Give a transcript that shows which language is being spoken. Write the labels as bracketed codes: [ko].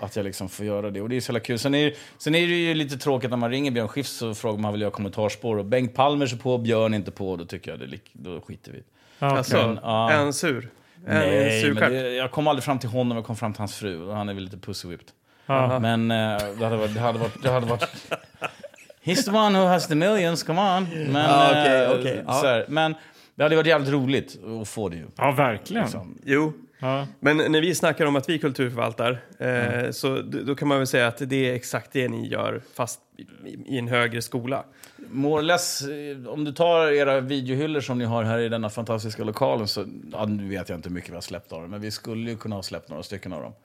[sv] Att jag liksom får göra det, och det är så jävla kul. Sen är det ju lite tråkigt när man ringer Björn Skifs och frågar om han vill göra kommentarspår, och Bengt Palmer är på, Björn inte på, då tycker jag det, då skiter vi. Okay. Alltså, en sur. Jag kom aldrig fram till honom, jag kom fram till hans fru, och han är väl lite pussywhipped. Men det hade varit [en] he's the one who has the millions, come on. [sv] Men det hade varit jävligt roligt att få det ju. Ja, verkligen. Liksom. Jo. Ja. Men när vi snackar om att vi kulturförvaltar, så då kan man väl säga att det är exakt det ni gör, fast i en högre skola. [en] More or less, [sv] om du tar era videohyllor som ni har här i denna fantastiska lokalen, så ja, nu vet jag inte hur mycket vi har släppt av dem, men vi skulle ju kunna ha släppt några stycken av dem.